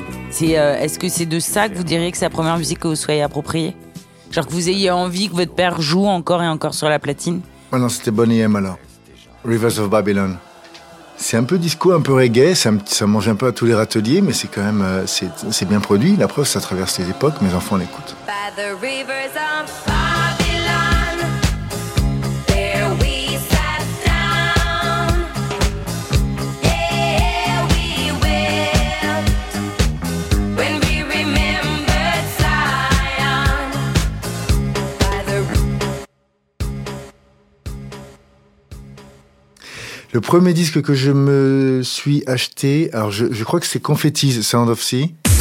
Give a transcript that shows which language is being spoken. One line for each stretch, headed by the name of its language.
French: C'est, est-ce que c'est de ça que vous diriez que c'est la première musique que vous soyez appropriée? Genre que vous ayez envie que votre père joue encore et encore sur la platine? Ah non, c'était Bonnie M alors. Rivers of Babylon. C'est un peu disco, un peu reggae, ça mange un peu à tous les râteliers, mais c'est quand même c'est bien produit. La preuve, ça traverse les époques, mes enfants l'écoutent.
English: By the rivers of Babylon, there we sat down. Yeah, we wept when we remembered Zion.
French: Le premier disque que je me suis acheté, alors je crois que c'est Confetti's Sound of Sea.